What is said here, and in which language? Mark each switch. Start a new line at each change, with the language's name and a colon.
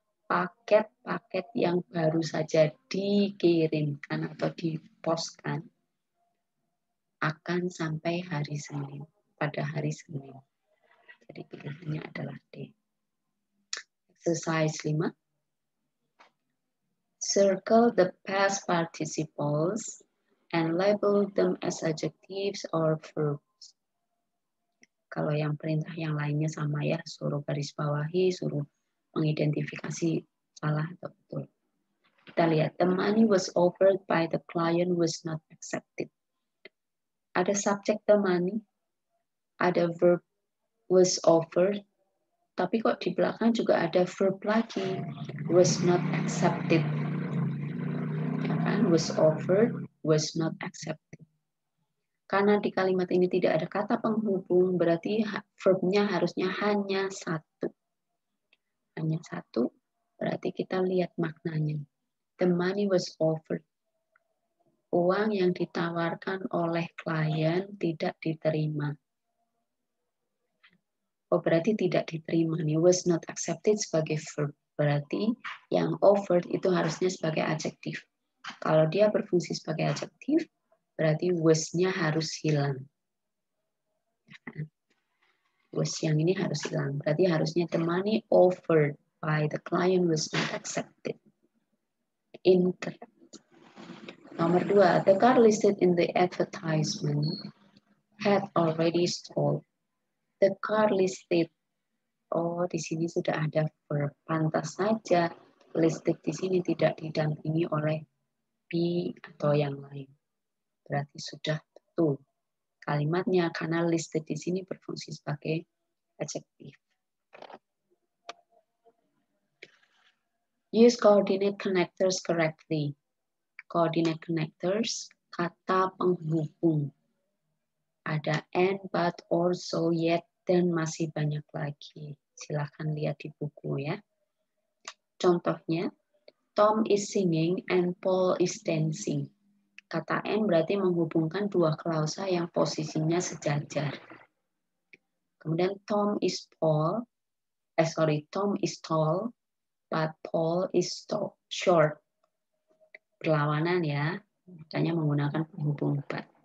Indonesian: Paket-paket yang baru saja dikirimkan atau diposkan akan sampai hari Senin, pada hari Senin. Jadi pilihannya adalah D. Exercise 5.
English: Circle the past participles and label them as adjectives or verbs.
Indonesian: Kalau yang perintah yang lainnya sama ya, suruh garis bawahi, suruh mengidentifikasi salah atau betul. Kita lihat,
English: the money was offered by the client was not accepted.
Indonesian: Ada subjek
English: the money,
Indonesian: ada verb
English: was offered,
Indonesian: tapi kok di belakang juga ada verb lagi,
English: was not accepted.
Indonesian: Ya kan?
English: Was offered, was not accepted.
Indonesian: Karena di kalimat ini tidak ada kata penghubung, berarti verbnya harusnya hanya satu. Hanya satu, berarti kita lihat maknanya.
English: The money was offered.
Indonesian: Uang yang ditawarkan oleh klien tidak diterima. Oh, berarti tidak diterima.
English: It was not accepted
Indonesian: sebagai verb. Berarti yang offered itu harusnya sebagai adjektif. Kalau dia berfungsi sebagai adjektif, berarti was-nya harus hilang. Was yang ini harus hilang. Berarti harusnya
English: the money offered by the client was not accepted. Incorrect.
Indonesian: Nomor dua,
English: the car listed in the advertisement had already stalled. The car listed,
Indonesian: oh di sini sudah ada verb, pantas saja listed di sini tidak didampingi oleh be atau yang lain. Berarti sudah betul kalimatnya karena listed di sini berfungsi sebagai adjektif.
English: Use coordinate connectors correctly. Coordinate connectors,
Indonesian: kata penghubung. Ada and, but, also, yet, dan masih banyak lagi. Silakan lihat di buku ya. Contohnya,
English: Tom is singing and Paul is dancing.
Indonesian: Kata and berarti menghubungkan dua klausa yang posisinya sejajar. Kemudian
English: Tom is Paul, Tom is tall. But Paul is short.
Indonesian: Perlawanan ya, makanya menggunakan penghubung but.